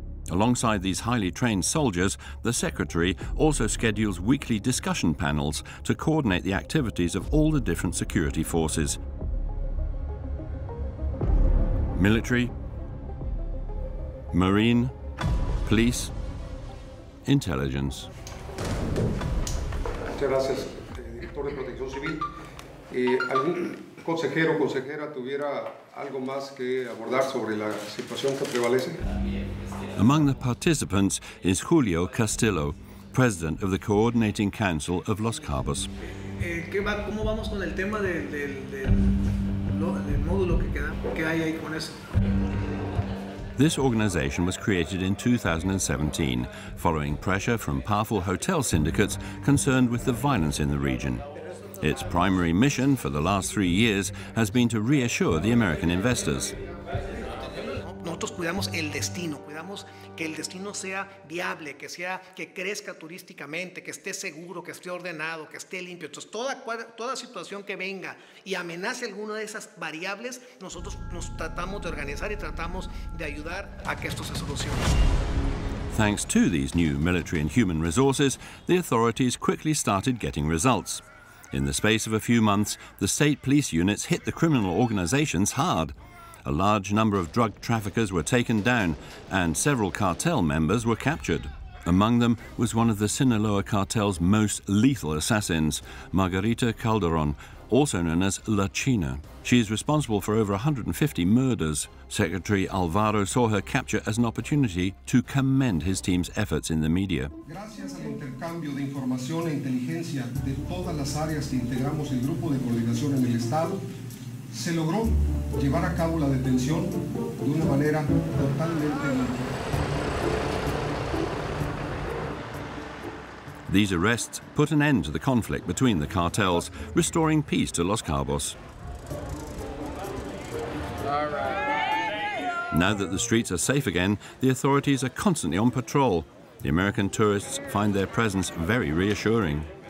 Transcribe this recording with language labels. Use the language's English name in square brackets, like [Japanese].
[English] Alongside these highly trained soldiers, the secretary also schedules weekly discussion panels to coordinate the activities of all the different security forces. Military, Marine, Police, Intelligence. [Spanish] Muchas gracias, director de Protección Civil. ¿Algún consejero o consejera tuviera algo más que abordar sobre la situación que prevalece? [English] Among the participants is Julio Castillo, president of the Coordinating Council of Los Cabos. [Spanish] ¿Cómo vamos con el tema del módulo que queda? ¿Qué hay ahí con eso? [English] This organization was created in 2017, following pressure from powerful hotel syndicates concerned with the violence in the region. Its primary mission for the last 3 years has been to reassure the American investors. [Spanish] Nosotros cuidamos el destino, cuidamos que el destino sea viable, que sea que crezca turísticamente, que esté seguro, que esté ordenado, que esté limpio. Entonces, toda situación que venga y amenace alguna de esas variables, nosotros nos tratamos de organizar y tratamos de ayudar a que esto se solucione. [English] Thanks to these new military and human resources, the authorities quickly started getting results. In the space of a few months, the state police units hit the criminal organizations hard. A large number of drug traffickers were taken down, and several cartel members were captured. Among them was one of the Sinaloa cartel's most lethal assassins, Margarita Calderon, also known as La China. She is responsible for over 150 murders. Secretary Alvaro saw her capture as an opportunity to commend his team's efforts in the media. [Spanish] Gracias al intercambio de información e inteligencia de todas las áreas que integramos el grupo de coordinación en el estado, se logró llevar a cabo la detención de una manera totalmente. [English] These arrests put an end to the conflict between the cartels, restoring peace to Los Cabos. All right. Now that the streets are safe again, the authorities are constantly on patrol. The American tourists find their presence very reassuring.